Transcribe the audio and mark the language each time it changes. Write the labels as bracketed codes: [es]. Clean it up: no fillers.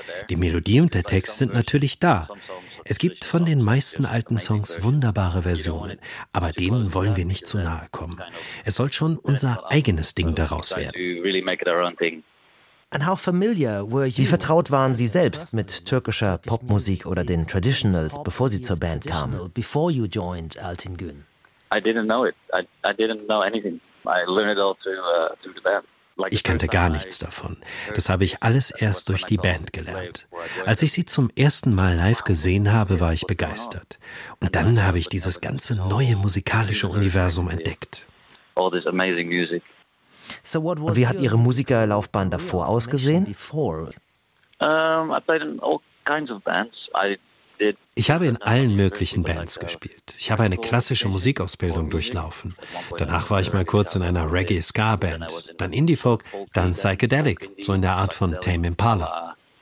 [de] Die Melodie und der Text sind natürlich da. Es gibt von den meisten alten Songs wunderbare Versionen, aber denen wollen wir nicht zu nahe kommen. Es soll schon unser eigenes Ding daraus werden. Wie vertraut waren Sie selbst mit türkischer Popmusik oder den Traditionals, bevor Sie zur Band kamen? [en] Before you joined Altin Günn. I didn't know it. I didn't know anything. I learned it all through the band. [de] Ich kannte gar nichts davon. Das habe ich alles erst durch die Band gelernt. Als ich sie zum ersten Mal live gesehen habe, war ich begeistert. Und dann habe ich dieses ganze neue musikalische Universum entdeckt. [en] All this amazing music. [de] Und wie hat Ihre Musikerlaufbahn davor ausgesehen? [en] I played in all kinds of bands. I [de] Ich habe in allen möglichen Bands gespielt. Ich habe eine klassische Musikausbildung durchlaufen. Danach war ich mal kurz in einer Reggae-Ska-Band, dann Indie-Folk, dann Psychedelic, so in der Art von Tame Impala.